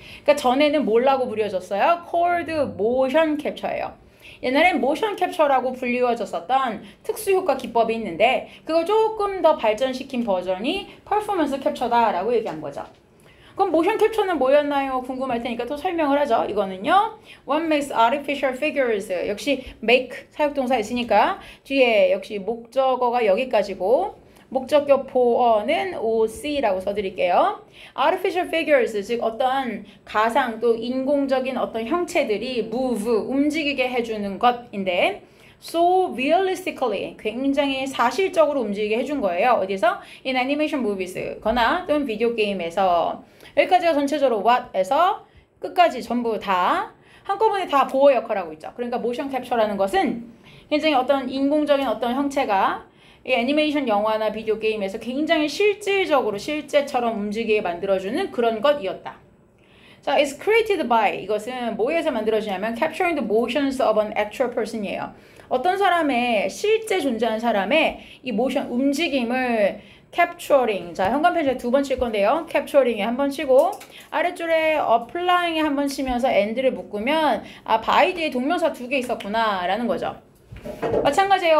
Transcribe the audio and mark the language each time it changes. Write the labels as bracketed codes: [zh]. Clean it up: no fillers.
[ko] 그러니까 전에는 뭘라고 불려졌어요? 콜드 모션 캡처예요. 옛날엔 모션 캡처라고 불리워졌었던 특수 효과 기법이 있는데, 그걸 조금 더 발전시킨 버전이 퍼포먼스 캡처다라고 얘기한 거죠. 그럼 모션 캡처는 뭐였나요? 궁금할 테니까 또 설명을 하죠. 이거는요, [en] What makes artificial figures? [ko] 역시 make 사역동사 있으니까 뒤에 역시 목적어가 여기까지고, 목적격 보어는 OC라고 써드릴게요. [en] Artificial figures, [ko] 즉 어떤 가상 또 인공적인 어떤 형체들이 move, 움직이게 해주는 것인데, [en] so realistically, [ko] 굉장히 사실적으로 움직이게 해준 거예요. 어디서? [en] In animation movies [ko] 거나 또는 비디오 게임에서. 여기까지가 전체적으로 what에서 끝까지 전부 다 한꺼번에 다 보어 역할을 하고 있죠. 그러니까 motion capture라는 것은 굉장히 어떤 인공적인 어떤 형체가 이 애니메이션 영화나 비디오 게임에서 굉장히 실질적으로 실제처럼 움직이게 만들어주는 그런 것이었다. [en] 자, it's created by, [ko] 이것은 뭐에서 만들어지냐면 [en] capturing the motions of an actual person이에요. [ko] 어떤 사람의, 실제 존재한 사람의 이 모션, 움직임을 capturing, 자, 현관 편지에 두 번 칠 건데요. capturing에 한 번 치고 아래쪽에 applying에 한 번 치면서 and를 묶으면 아, by 뒤에 동명사 두 개 있었구나 라는 거죠. 마찬가지예요.